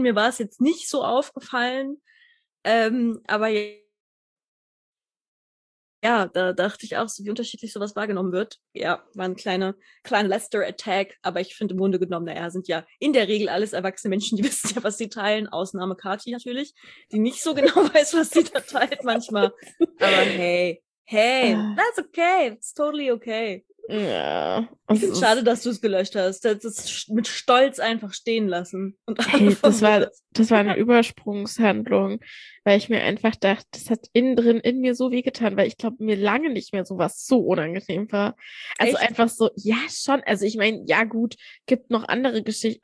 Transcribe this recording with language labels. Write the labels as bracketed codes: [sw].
[de] Mir war es jetzt nicht so aufgefallen. Aber ja, da dachte ich auch so, wie unterschiedlich sowas wahrgenommen wird. Ja, war ein kleiner Lester-Attack, aber ich finde im Grunde genommen, naja, sind ja in der Regel alles erwachsene Menschen, die wissen ja, was sie teilen. Ausnahme Kati natürlich, die nicht so genau weiß, was sie da teilt manchmal. Aber [en] hey, that's okay, it's totally okay. [de] Ja. Ich finde es schade, dass du es gelöscht hast. Du hättest es mit Stolz einfach stehen lassen. Das war eine Übersprungshandlung, weil ich mir einfach dachte, das hat innen drin in mir so weh getan, weil ich glaube, mir lange nicht mehr sowas so unangenehm war. Also echt? Einfach so, ja schon. Also ich meine, ja gut, gibt noch andere Geschichten.